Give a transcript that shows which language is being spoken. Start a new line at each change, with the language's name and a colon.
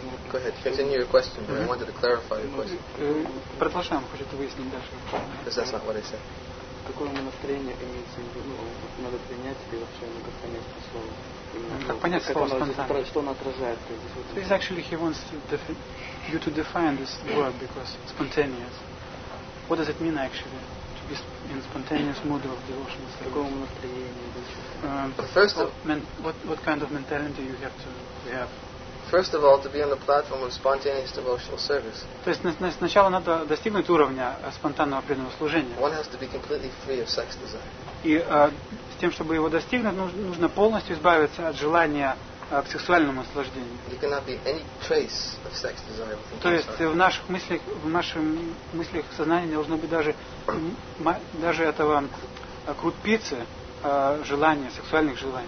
Russian: Продолжаем, хочет выяснить дальше. Какое настроение имеется в виду, надо принять или вообще надо понять это слово? Как понять слово спонтанно? Что оно отражает?
English: Please, actually, he wants to you to define this word, because it's spontaneous. What does it mean, actually, to be in spontaneous mood of devotion?
Russian: Какое настроение?
English: What kind of mentality you have to have? First of all, to be on the platform of spontaneous devotional service.
Russian: То есть сначала надо достигнуть уровня спонтанного преданного служения.
English: One has to be completely free of sex desire.
Russian: И с тем, чтобы его достигнуть, нужно полностью избавиться от желания к сексуальному наслаждению.
English: There cannot be any trace of sex desire within
Russian: То есть в наших мыслях, сознания не должно быть даже этого крупицы желания, сексуальных желаний.